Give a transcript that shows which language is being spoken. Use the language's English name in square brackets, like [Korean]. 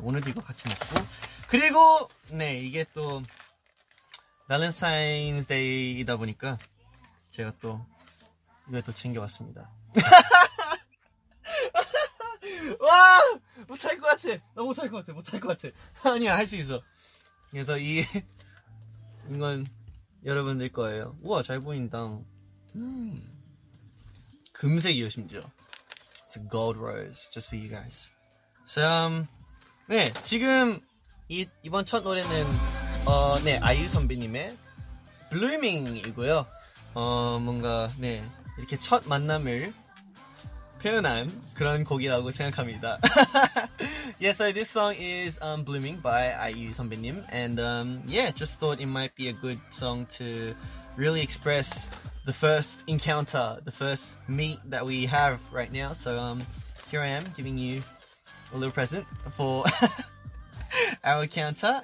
[Korean] 오늘도 이거 같이 먹고, 그리고 네, 이게 또 Valentine's Day이다 보니까 제가 또 이걸 또 챙겨왔습니다. 와, 못할 것 같아. 나 못할 것 같아. 못할 것 같아. 아니야, 할 수 있어. 그래서 이건 여러분들 거예요. 우와, 잘 보인다. 금색이요, 심지어. [English] It's a gold rose just for you guys. [Korean] So, 네, 지금 이번 첫 노래는 네, 아이유 선배님의 Blooming이고요. 뭔가 네, 이렇게 첫 만남을 표현한 그런 곡이라고 생각합니다. [English] Yeah, so this song is Blooming by IU 선배님. And yeah, just thought it might be a good song to really express the first encounter, the first meet that we have right now. So here I am giving you a little present for our encounter.